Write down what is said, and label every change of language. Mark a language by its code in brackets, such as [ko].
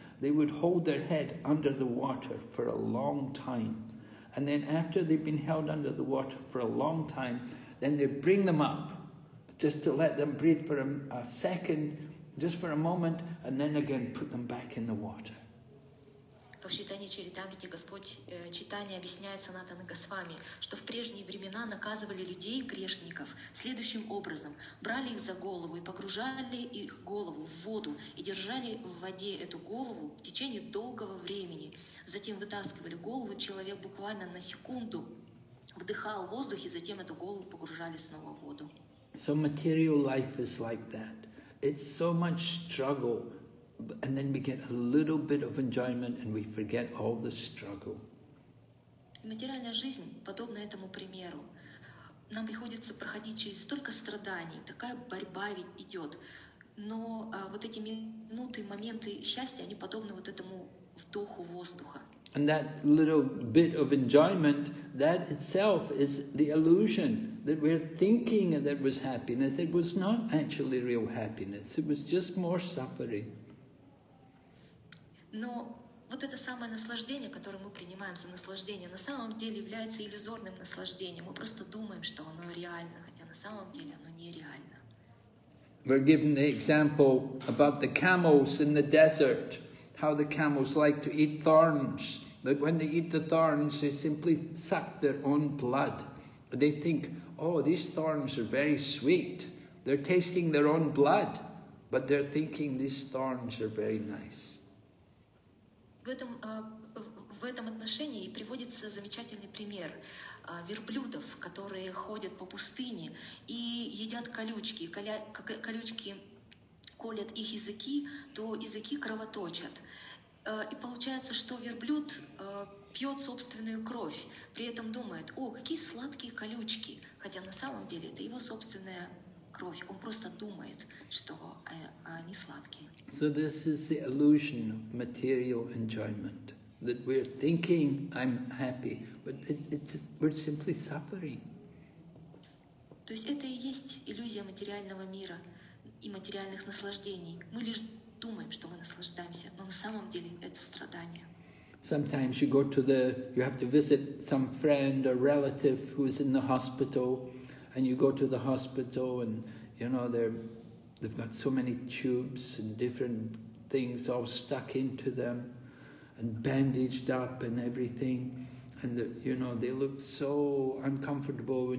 [en] They would hold their head under the water for a long time. And then after they've been held under the water for a long time, then they bring them up, just to let them breathe for a second, just for a moment, and then again put them back in the water. [ru] Как в читании Чаритамриты Господь читание объясняет Санатана Госвами, что в прежние времена наказывали людей, грешников, следующим образом: брали их за голову и погружали их голову в воду и держали в воде эту голову в течение долгого времени. Затем вытаскивали голову, человек буквально на секунду вдыхал воздух, и затем эту голову погружали снова в воду. [en] So material life is like that. It's so much struggle, and then we get a little bit of enjoyment, and we forget all the struggle. [ru] Материальная жизнь подобна этому примеру. Нам приходится проходить через столько страданий, такая борьба ведь идет. Но вот эти минуты, моменты счастья, они подобны вот этому вдоху воздуха. [en] And that little bit of enjoyment, that itself is the illusion that we're thinking that was happiness. It was not actually real happiness. It was just more suffering. [ru] Но вот это самое наслаждение, которое мы принимаем за наслаждение, на самом деле является иллюзорным наслаждением. Мы просто думаем, что оно реально, хотя на самом деле оно нереально. [en] We're given the example about the camels in the desert. How the camels like to eat thorns, but when they eat the thorns, they simply suck their own blood. They think, oh, these thorns are very sweet. They're tasting their own blood, but they're thinking these thorns are very nice. [ru] В этом отношении приводится замечательный пример верблюдов, которые ходят по пустыне и едят колючки. Колючки колят их языки, то языки кровоточат. И получается, что верблюд пьет собственную кровь, при этом думает: о, какие сладкие колючки, хотя на самом деле это его собственная кровь, он просто думает, что они сладкие. [en] So this is the illusion of material enjoyment, that we're thinking I'm happy, but we're simply suffering. [ru] То есть это и есть иллюзия материального мира и материальных наслаждений. Мы лишь думаем, что мы наслаждаемся, но на самом деле это страдание. [en] Sometimes you go to the, you have to visit some friend or relative who is in the hospital, and you go to the hospital, and you know they've got so many tubes and different things all stuck into them, and bandaged up and everything, and you know they look so uncomfortable.